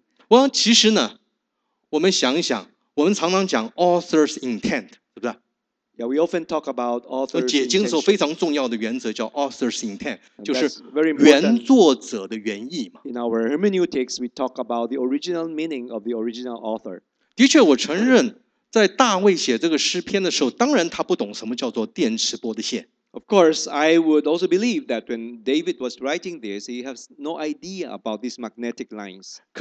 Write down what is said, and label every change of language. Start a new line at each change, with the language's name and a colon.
Chinese: Well, 其实呢, 我们想一想, 我们常常讲 author's intent, 是不是？
English: Yeah, we often talk about author's intent.
Chinese: 解经时候非常重要的原则叫 author's intent, 就是原作者的原意嘛。
English: In our hermeneutics, we talk about the original meaning of the original author.
Chinese: 的确，我承认，在大卫写这个诗篇的时候，当然他不懂什么叫做电磁波的线。
English: Of course, I would also believe that when David was writing this, he has no idea about these magnetic lines.